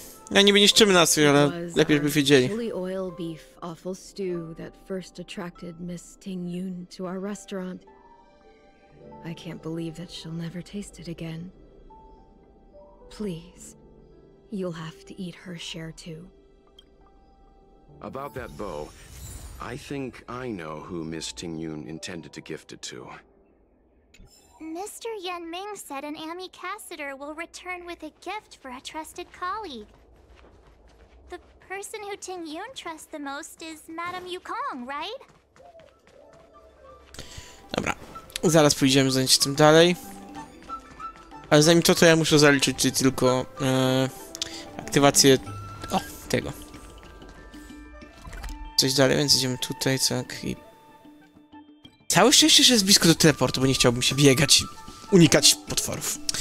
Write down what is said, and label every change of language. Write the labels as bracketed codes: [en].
[pl] Ja niby nie szczymy nas, ale lepiej żeby wiedzieli. [en] Chili oil beef offal stew that first attracted Miss Tingyun to our restaurant. I can't believe that she'll never taste it again. Please, you'll have to eat her share too. About that bow, I think I know who Miss Tingyun intended to gift it to. Mr. Yan Ming said an Amy Cassiter will return with a gift for a trusted colleague. The person who Tingyun trusts the most is Madame Yukong, right? [pl] Dobra. Zaraz pójdziemy zająć tym dalej. Ale zanim to, to ja muszę zaliczyć tylko aktywację. O, tego. Coś dalej, więc idziemy tutaj, tak i. Całe szczęście, że jest blisko do teleportu, bo nie chciałbym się biegać i unikać potworów.